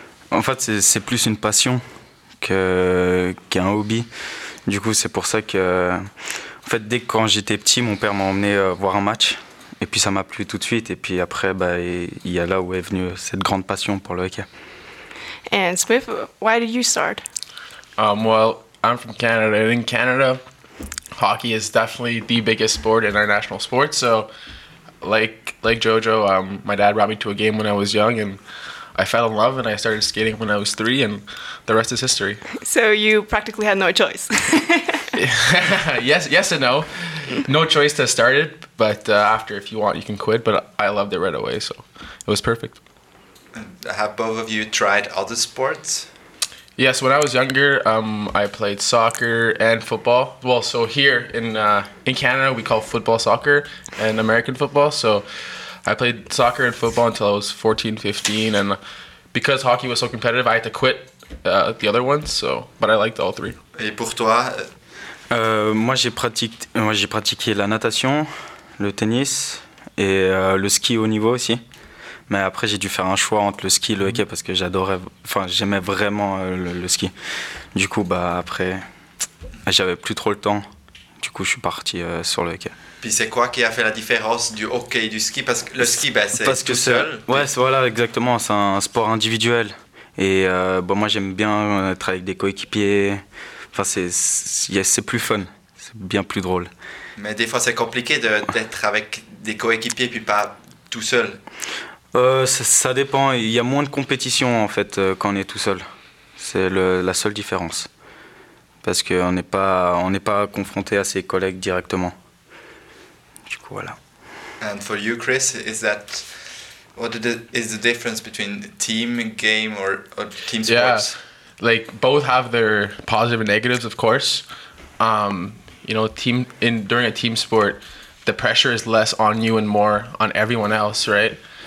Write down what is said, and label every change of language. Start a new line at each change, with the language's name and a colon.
French: En fait, c'est plus une passion qu'un hobby. Du coup, c'est pour ça que, en fait, dès que quand j'étais petit, mon père m'a emmené voir un match. Et puis ça m'a plu tout de suite. Et puis après, bah, y a là où est venue cette grande passion pour le hockey.
English: And Smith, why did you start? Well, I'm from Canada. In Canada, hockey is definitely the biggest sport in our national sport. So, like Jojo, my dad brought me to a game when I was young, and I fell in love, and I started skating when I was 3, and the rest is history. So you practically had no choice. Yes and no. No choice to start it, but after, if you want, you can quit. But I loved it right away, so it was perfect. Have both of you tried other sports? Yes, when I was younger, I played soccer and football. Well, so here in Canada, we call football soccer and American football. So I played soccer and football until I was 14, 15. And because hockey was so competitive, I had to quit the other ones. So, but I liked all three.
French: Et pour toi? Moi, j'ai pratiqué la natation, le tennis et le ski au niveau aussi. Mais après, j'ai dû faire un choix entre le ski et le hockey parce que j'aimais vraiment le ski. Du coup, bah, après, j'avais plus trop le temps. Du coup, je suis parti sur le hockey. Puis c'est quoi qui a fait la différence du hockey et du ski? Parce que le ski, bah, c'est parce tout que c'est, seul. Ouais, c'est, voilà, exactement. C'est un sport individuel. Et bah, moi, j'aime bien être avec des coéquipiers. Enfin, c'est plus fun. C'est bien plus drôle. Mais des fois, c'est compliqué d'être avec des coéquipiers puis pas tout seul. Ça dépend. Il y a moins de compétition en fait quand on est tout seul. C'est la seule différence, parce que on n'est pas confronté à ses collègues directement. Du coup, voilà.
English: And for you, Chris, is the difference between team game or team sports? Yeah, like both have their positive and negatives, of course. During a team sport, the pressure is less on you and more on everyone else, right?